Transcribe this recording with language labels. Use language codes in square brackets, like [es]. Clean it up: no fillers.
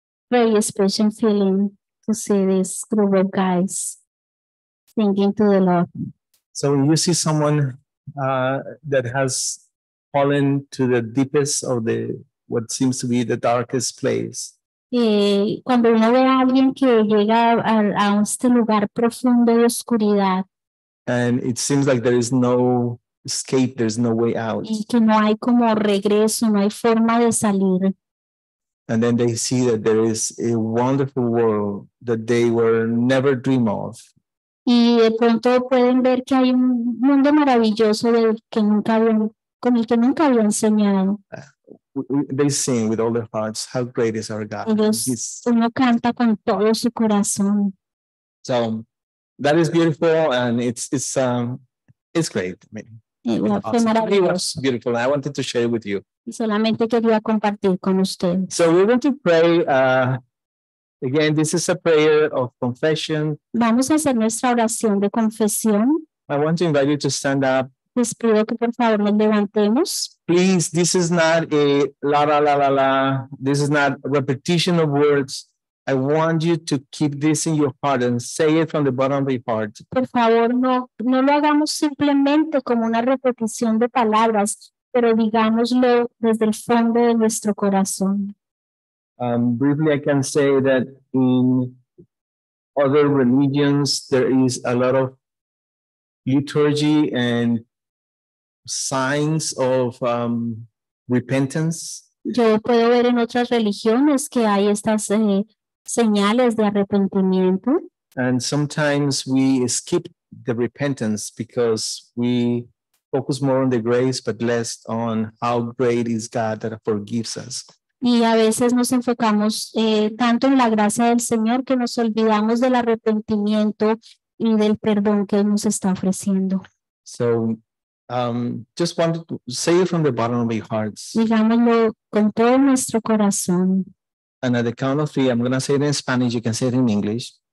[en] very special feeling to see this group of guys singing to the Lord. So when you see someone that has fallen to the deepest of the what seems to be the darkest place. [es] Cuando uno ve a alguien que llega a este lugar profundo de oscuridad. [en] And it seems like there is no escape, there's no way out. [es] Y que no hay como regreso, no hay forma de salir. [en] And then they see that there is a wonderful world that they were never dream of. [es] Y de pronto pueden ver que hay un mundo maravilloso del que nunca habían, con el que nunca habían soñado. [en] They sing with all their hearts, how great is our God. [es] Uno canta con todo su corazón. [en] So that is beautiful, and it's great. I mean, awesome. It was beautiful. I wanted to share it with you. [es] Solamente quería compartir con usted. [en] So we're going to pray. Again, this is a prayer of confession. [es] Vamos a hacer nuestra oración de confesión. [en] I want to invite you to stand up. [es] Les pido que por favor nos levantemos. [en] Please, this is not a la la la la la. This is not a repetition of words. I want you to keep this in your heart and say it from the bottom of your heart. [es] Por favor, no lo hagamos simplemente como una repetición de palabras, pero digámoslo desde el fondo de nuestro corazón. [en] Briefly, I can say that in other religions, there is a lot of liturgy and signs of repentance. [es] Yo puedo ver en otras religiones que hay estas señales de arrepentimiento. [en] And sometimes we skip the repentance because we focus more on the grace, but less on how great is God that forgives us. [es] Y a veces nos enfocamos tanto en la gracia del Señor que nos olvidamos del arrepentimiento y del perdón que nos está ofreciendo. [en] So, just wanted to say it from the bottom of your hearts. [es] Digámoslo con todo nuestro corazón. [en] And at the count of three, I'm going to say it in Spanish, you can say it in English.